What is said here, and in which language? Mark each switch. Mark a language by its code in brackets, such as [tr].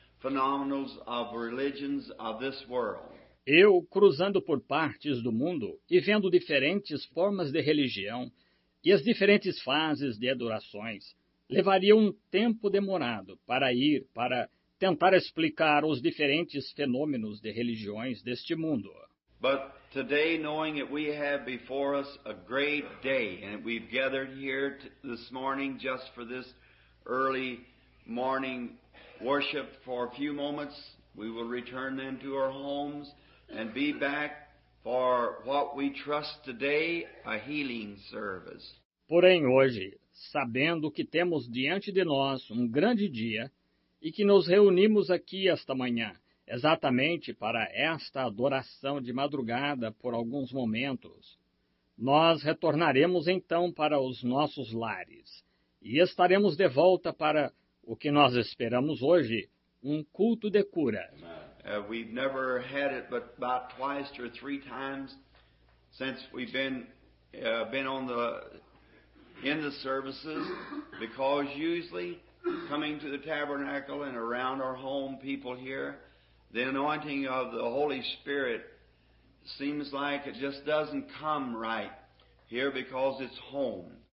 [en] phenomenons of religions of this world. [pt] Eu, cruzando por partes do mundo e vendo diferentes formas de religião e as diferentes fases de adorações, levaria um tempo demorado para ir para tentar explicar os diferentes fenômenos de religiões deste mundo. [en] But today, knowing that we have before us a great day, and we've gathered here this morning just for this early morning worship for a few moments, we will return then to our homes and be back for what we trust today, a healing service. [pt] Porém, hoje, sabendo que temos diante de nós um grande dia e que nos reunimos aqui esta manhã, exatamente para esta adoração de madrugada por alguns momentos, nós retornaremos então para os nossos lares e estaremos de volta para o que nós esperamos hoje, um culto de cura. [en] We've never had it but about twice or three times since we've been on the in the services, because usually coming to the tabernacle and around our home people here, the anointing of the Holy Spirit seems like it just doesn't come right here because it's home.